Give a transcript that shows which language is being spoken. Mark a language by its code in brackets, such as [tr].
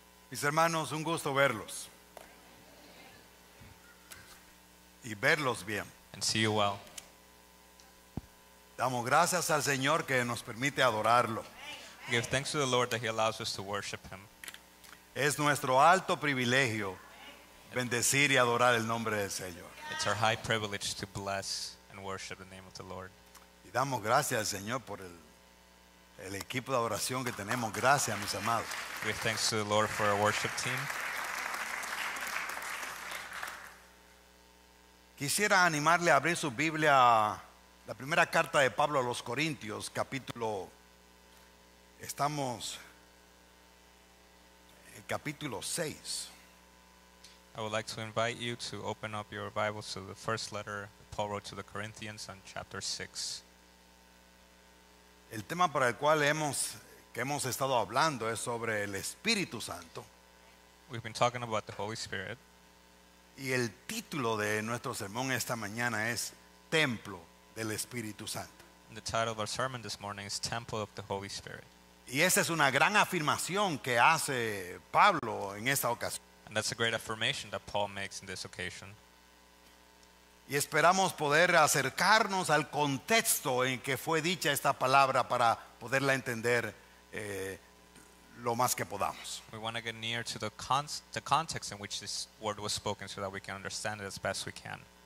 [es] Mis hermanos, un gusto verlos. Y verlos bien. [en] And see you well. [es] Damos gracias al Señor que nos permite adorarlo. [en] Give thanks to the Lord that He allows us to worship Him. [es] Es nuestro alto privilegio bendecir y adorar el nombre del Señor. [en] It's our high privilege to bless and worship the name of the Lord. [es] Y damos gracias al Señor por el equipo de adoración que tenemos. Gracias, mis amados. [en] We give thanks to the Lord for our worship team. [es] Quisiera animarle a abrir su Biblia, la primera carta de Pablo a los Corintios, capítulo. Estamos en capítulo 6. [en] I would like to invite you to open up your Bibles to the first letter Paul wrote to the Corinthians on chapter 6. [es] El tema para el cual hemos estado hablando es sobre el Espíritu Santo. [en] We've been talking about the Holy Spirit. [es] Y el título de nuestro sermón esta mañana es Templo del Espíritu Santo. [en] And the title of our sermon this morning is Temple of the Holy Spirit. [es] Y esa es una gran afirmación que hace Pablo en esta ocasión. [en] And that's a great affirmation that Paul makes in this occasion. [es] Y esperamos poder acercarnos al contexto en que fue dicha esta palabra para poderla entender lo más que podamos. [en] We want to get near to the context in which this word was spoken so that we can understand it as best we can.